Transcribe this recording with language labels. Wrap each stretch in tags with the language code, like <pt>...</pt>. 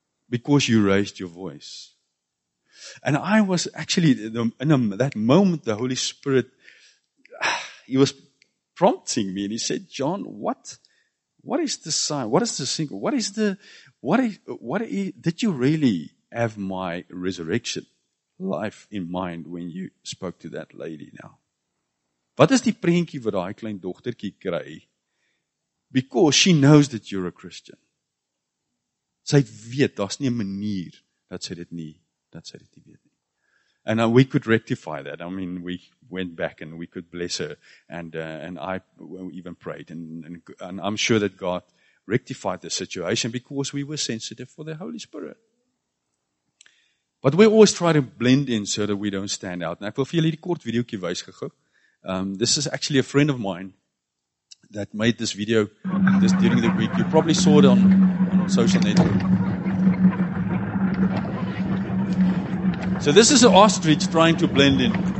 <en>Because you raised your voice. And I was actually, that moment, the Holy Spirit, he was prompting me, and he said, John, what is the sign? What is the signal? Did you really have my resurrection life in mind when you spoke to that lady now?</en> <af>Wat is die prentjie wat daai klein dogtertjie kry?</af> <en>Because she knows that you're a Christian.</en> <af>Sy weet, daar's nie 'n manier dat sy dit nie weet nie.</af> <en>And we could rectify that. I mean, we went back and we could bless her, and I even prayed, and I'm sure that God rectified the situation because we were sensitive for the Holy Spirit. But we always try to blend in so that we don't stand out.</en> <af>Nou ek wil vir julle 'n kort videoetjie wys gou.</af> <en>This is actually a friend of mine that made this video this during the week. You probably saw it on social network. So this is an ostrich trying to blend in.</en>